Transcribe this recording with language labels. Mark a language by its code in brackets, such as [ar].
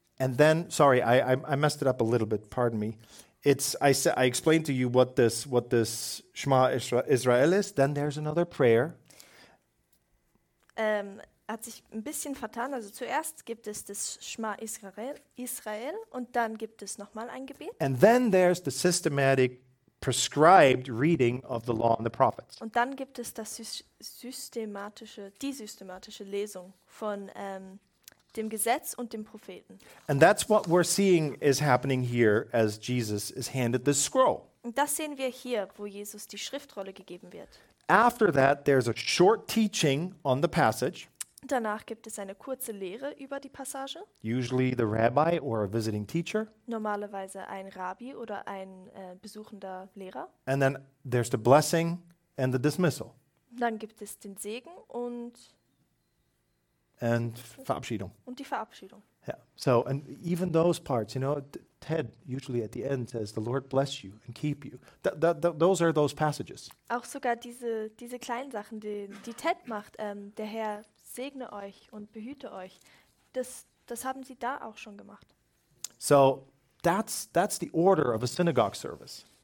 [en] And then, sorry, I messed it up a little bit. Pardon me. I explained to you what this Shema Israel is. Then there's another prayer. [de] Hat sich ein bisschen vertan. Also zuerst gibt es das Shema Israel und dann gibt es noch mal ein Gebet. [en] And then there's the systematic prescribed reading of the law and the prophets. [de] Und dann gibt es das systematische Lesung von dem Gesetz und dem Propheten. [en] And that's what we're seeing is happening here as Jesus is handed the scroll. [de] Und das sehen wir hier, wo Jesus die Schriftrolle gegeben wird. [en] After that, there's a short teaching on the passage. [de] Danach gibt es eine kurze Lehre über die Passage. [en] Usually the rabbi or a visiting teacher. [de] Normalerweise ein Rabbi oder ein besuchender Lehrer. [en] And then there's the blessing and the dismissal. [de] Dann gibt es den Segen und Verabschiedung. Und die Verabschiedung. [en] Yeah. So and even those parts, you know, Ted usually at the end says the Lord bless you and keep you. Those are those passages. [de] Auch sogar diese kleinen Sachen, die Ted macht, der Herr segne euch und behüte euch. Das haben sie da auch schon gemacht. [en] So that's the order of a synagogue service.